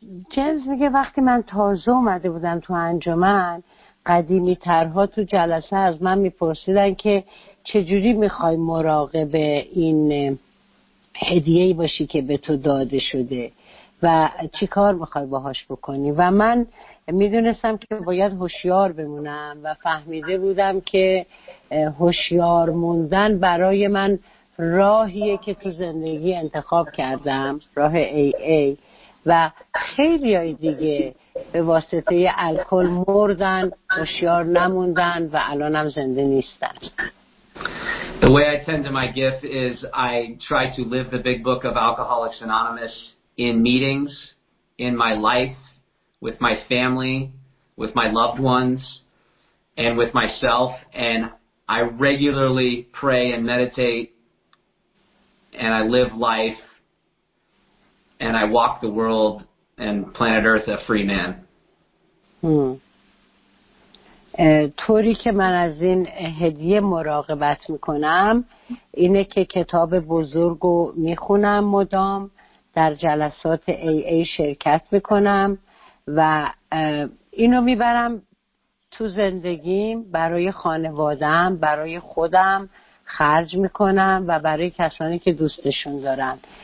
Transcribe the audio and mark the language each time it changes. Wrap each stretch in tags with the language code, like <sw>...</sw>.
<fa>جنس میگه وقتی من تازه اومده بودم تو انجمن، قدیمی ترها تو جلسه از من میپرسیدن که چجوری میخوای مراقب این هدیهی باشی که به تو داده شده و چی کار میخوای باهاش بکنی، و من میدونستم که باید هوشیار بمونم و فهمیده بودم که هوشیار موندن برای من راهیه که تو زندگی انتخاب کردم، راه AA. و خیلی های دیگه به واسطه الکل مردن، هوشیار نموندن و الان هم زنده نیستن.</fa> <en>The way I tend to my gift is I try to live the big book of Alcoholics Anonymous in meetings, in my life, with my family, with my loved ones, and with myself, and I regularly pray and meditate, and I live life, and I walk the world and planet Earth a free man.</en> <fa>طوری که من از این هدیه مراقبت میکنم اینه که کتاب بزرگو میخونم مدام، در جلسات AA شرکت میکنم و اینو میبرم تو زندگیم، برای خانوادم، برای خودم خرج میکنم و برای کسانی که دوستشون دارن.</fa>